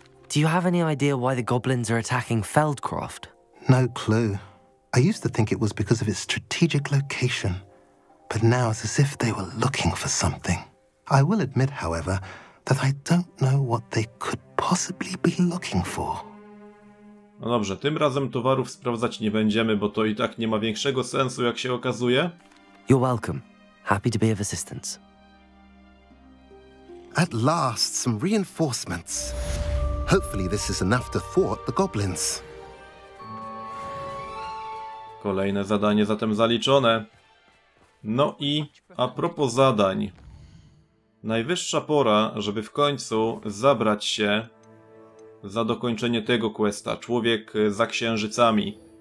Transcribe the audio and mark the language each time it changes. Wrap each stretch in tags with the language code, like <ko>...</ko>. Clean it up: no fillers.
<en>Do you have any idea why the goblins are attacking Feldcroft? No clue. I used to think it was because of its strategic location. but now it's as if they were looking for something. I will admit, however, that I don't know what they could possibly be looking for.</en> <pl>No dobrze, tym razem towarów sprawdzać nie będziemy, bo to i tak nie ma większego sensu, jak się okazuje.</pl> <en>You're welcome. Happy to be of assistance. At last, some reinforcements. Hopefully this is enough to thwart the goblins.</en> <pl>Kolejne zadanie zatem zaliczone. No i a propos zadań. Najwyższa pora, żeby w końcu zabrać się za dokończenie tego questa, Człowiek za księżycami.</pl>